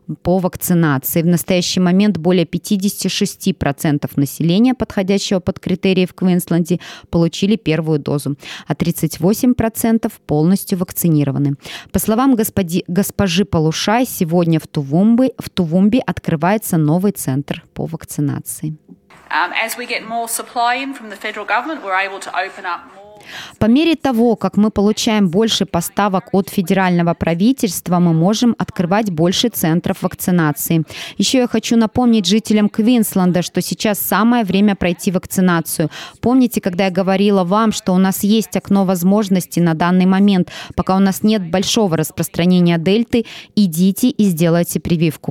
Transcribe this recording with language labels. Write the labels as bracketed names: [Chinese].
[Russian] по вакцинации. В настоящий момент более 56% населения, подходящего под критерии в Квинсленде, получили первую дозу, а 38% полностью вакцинированы. По словам госпожи Полушай, сегодня в Тувумбе открывается новый центр по вакцинации. [English] As we get more supply in from the federal government, we're able to open up more. [Russian] По мере того, как мы получаем больше поставок от федерального правительства, мы можем открывать больше центров вакцинации. Еще я хочу напомнить жителям Квинсленда, что сейчас самое время пройти вакцинацию. Помните, когда я говорила вам, что у нас есть окно возможности на данный момент, пока у нас нет большого распространения дельты, идите и сделайте прививку.